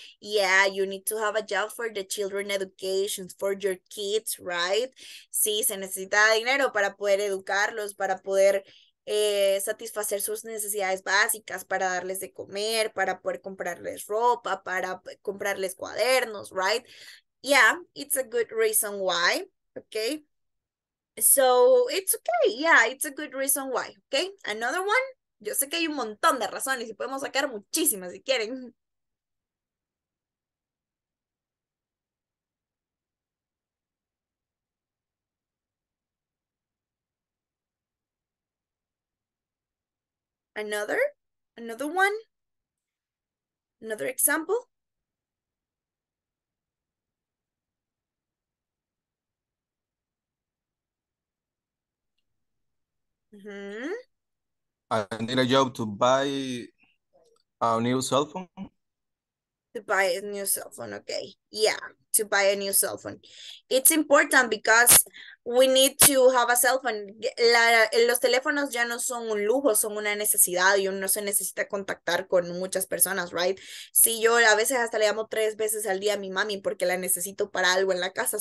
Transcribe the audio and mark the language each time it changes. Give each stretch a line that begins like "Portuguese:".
English: Yeah, you need to have a job for the children education, for your kids, right?
Spanish: Sí, se necesita dinero para poder educarlos, para poder satisfacer sus necesidades básicas, para darles de comer, para poder comprarles ropa, para comprarles cuadernos, right?
English: Yeah, it's a good reason why, okay? So, it's okay, yeah, it's a good reason why, okay? Another one,
Spanish: yo sé que hay un montón de razones y podemos sacar muchísimas si quieren.
English: Another example. I need a job to buy a new cell phone. To buy a new cell phone, okay. Yeah, to buy a new cell phone. It's important because we need to have a cell phone.
Spanish: Los teléfonos ya no son un lujo, son una necesidad y uno se necesita contactar con muchas personas, right? Sí, yo a veces hasta le llamo 3 veces al día a mi mami porque la necesito para algo en la casa.